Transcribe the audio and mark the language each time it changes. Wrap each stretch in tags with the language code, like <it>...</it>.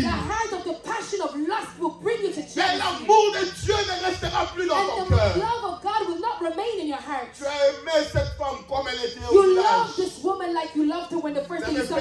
<en>The heart of the passion of lust will bring you to jealousy.</en> <fr>Mais l'amour de Dieu ne restera plus dans ton cœur.</fr> <en>And the love of God will not remain in your heart.</en> <fr>Tu as aimé cette femme comme elle était au</fr> <en>You love this woman like you loved her when the first thing you saw her.</en>